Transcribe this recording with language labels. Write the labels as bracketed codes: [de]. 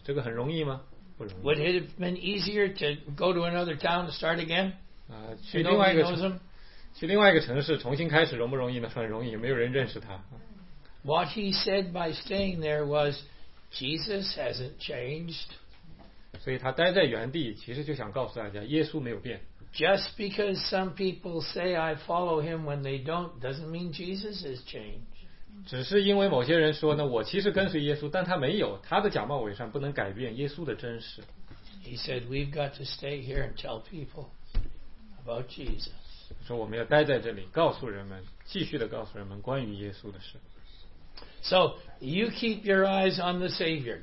[zh] 这个很容易吗？不容易。 [en] Would it have been easier to go to another town to start again? [zh] 去另外一个城，去另外一个城市重新开始，容不容易呢？很容易，没有人认识他。 [en] What he said by staying there was, Jesus hasn't changed. [zh] 所以他待在原地，其实就想告诉大家，耶稣没有变。 [en] Just because some people say I follow him when they don't, doesn't mean Jesus has changed. [zh] 只是因为某些人说呢，我其实跟随耶稣，但他没有，他的假冒伪善不能改变耶稣的真实。 [en] He said, "We've got to stay here and tell people about Jesus." [zh] 说我们要待在这里，告诉人们，继续的告诉人们关于耶稣的事。 [en] So you keep your eyes on the Savior.